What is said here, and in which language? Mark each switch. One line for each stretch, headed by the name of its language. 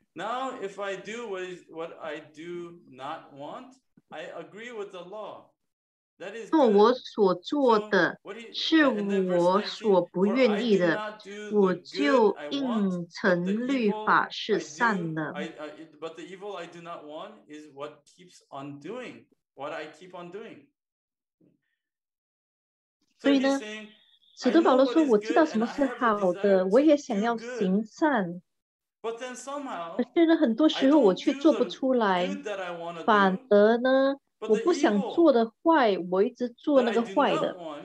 English: Now if I do what I do not want, I agree with the law.
Chinese: 做我所做的是我所不愿意的，我就应承律法是善的。
English: But the evil I do not want is what keeps on doing, what I keep on doing.
Chinese: 所以呢，使徒保罗说，我知道什么是好的，我也想要行善。
English: But then somehow,
Chinese: 可是呢，很多时候我却做不出来，反而呢。我不想做的坏，我一直做那个坏的。